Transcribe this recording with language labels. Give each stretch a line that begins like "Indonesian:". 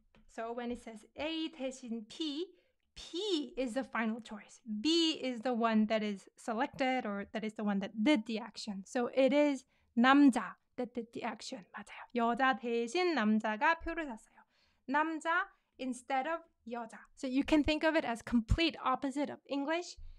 English: So when it says A 대신 P, P is the final choice. B is the one that is selected or that is the one that did the action. So it is 남자. That did the action.
Korean: 맞아요. 여자 대신 남자가 표를 샀어요.
English: 남자 instead of 여자. So you can think of it as complete opposite of English.